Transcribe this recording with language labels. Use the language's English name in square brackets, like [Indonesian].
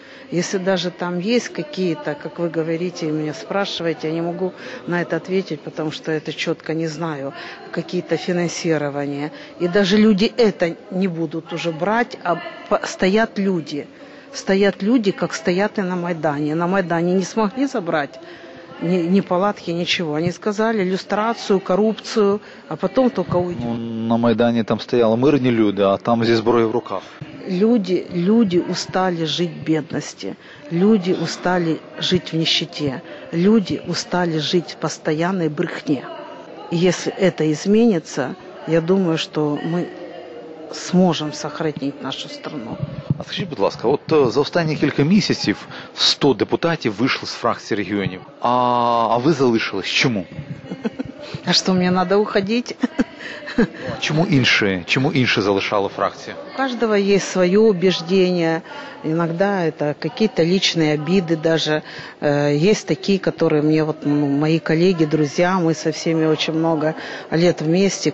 [Russian] Если даже там есть какие-то, как вы говорите, и меня спрашиваете, я не могу на это ответить, потому что это четко не знаю, какие-то финансирования. И даже люди это не будут уже брать, а стоят люди. Стоят люди, как стоят и на Майдане. На Майдане не смогли забрать ни палатки, ничего. Они сказали люстрацию, коррупцию, а потом только уйдем. Ну, на Майдане там стояли мирные люди, а там [Ukrainian] зі зброєю в руках. [Russian] Люди устали жить в бедности. Люди устали жить в нищете. Люди устали жить в постоянной брехне. Если это изменится, я думаю, что мы сможем сохранить нашу страну. [Ukrainian] А скажіть, будь ласка, от за останні кілька місяців 100 депутатів вийшли з фракції регіонів. А ви залишились? Чому? [Russian] А что, мне надо уходить? [Ukrainian] Чому інші залишали фракцію? У кожного є своє убеждення, іноді це якісь личні обіди, навіть є такі, які мені, мої колеги, друзі, ми зі всіми дуже багато років вместе.